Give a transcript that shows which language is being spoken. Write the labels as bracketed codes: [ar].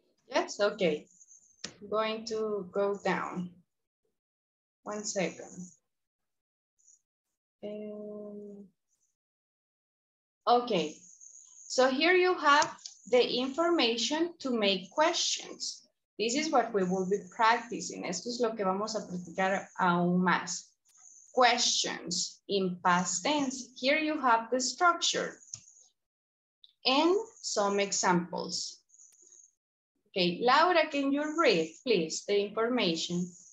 [en] Yes, okay. I'm going to go down. One second. Okay. So here you have the information to make questions. This is what we will be practicing. [es] Esto es lo que vamos a practicar aún más. [en] Questions in past tense. Here you have the structure and some examples. Okay, Laura, can you read, please, the information?